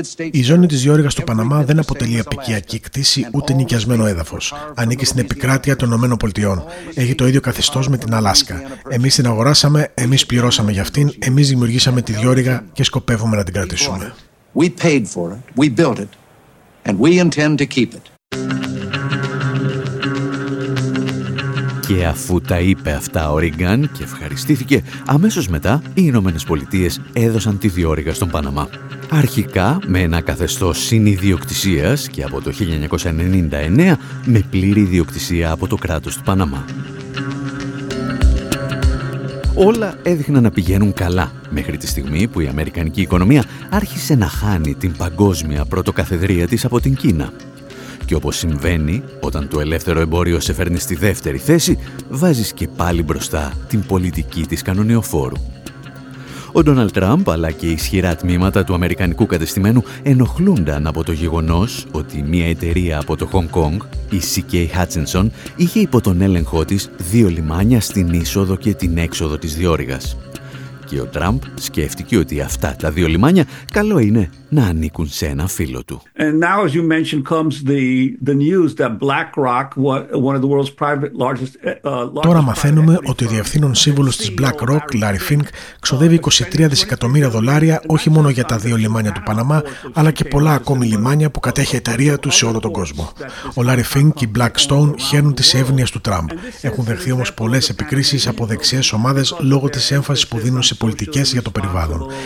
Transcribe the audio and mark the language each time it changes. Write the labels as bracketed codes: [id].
[el] Η ζώνη της διόρυγας του Παναμά δεν αποτελεί αποικιακή κτήση ούτε νοικιασμένο έδαφος. Ανήκει στην επικράτεια των Ηνωμένων Πολιτειών. Έχει το ίδιο καθεστώς με την Αλάσκα. Εμείς την αγοράσαμε, εμείς πληρώσαμε για αυτήν, εμείς δημιουργήσαμε τη διόρυγα και σκοπεύουμε να την κρατήσουμε. [en] We paid for it, we built it, and we intend to keep it. [el] Και αφού τα είπε αυτά ο Ρίγκαν και ευχαριστήθηκε, αμέσως μετά οι Ηνωμένες Πολιτείες έδωσαν τη διόρυγα στον Παναμά. Αρχικά με ένα καθεστώς συνιδιοκτησίας και από το 1999 με πλήρη ιδιοκτησία από το κράτος του Παναμά. Όλα έδειχναν να πηγαίνουν καλά μέχρι τη στιγμή που η Αμερικανική οικονομία άρχισε να χάνει την παγκόσμια πρωτοκαθεδρία της από την Κίνα. Και όπως συμβαίνει, όταν το ελεύθερο εμπόριο σε φέρνει στη δεύτερη θέση, βάζεις και πάλι μπροστά την πολιτική της κανονιοφόρου. Ο Ντόναλντ Τραμπ αλλά και ισχυρά τμήματα του Αμερικανικού κατεστημένου ενοχλούνταν από το γεγονός ότι μια εταιρεία από το Χονγκ Κονγκ, η CK Hutchinson, είχε υπό τον έλεγχό της δύο λιμάνια στην είσοδο και την έξοδο της διόρυγας. και ο Τραμπ σκέφτηκε ότι αυτά τα δύο λιμάνια καλό είναι να ανήκουν σε ένα φίλο του. [en] And now, as you mentioned, comes the news that BlackRock, one of the world's private largest. [el] Τώρα μαθαίνουμε ότι ο διευθύνων σύμβουλος της BlackRock, Larry Fink, ξοδεύει 23 δισεκατομμύρια δολάρια όχι μόνο για τα δύο λιμάνια του Παναμά, αλλά και πολλά ακόμη λιμάνια που κατέχει η εταιρεία του σε όλο τον κόσμο. Ο Larry Fink και η Blackstone χαίνουν τις εύνοιες του Τραμπ. Έχουν δεχθεί όμως πολλές επικρίσεις από δεξιές ομάδες λόγω της έμφασης που δίνουν σε πολιτικές για το περιβάλλον.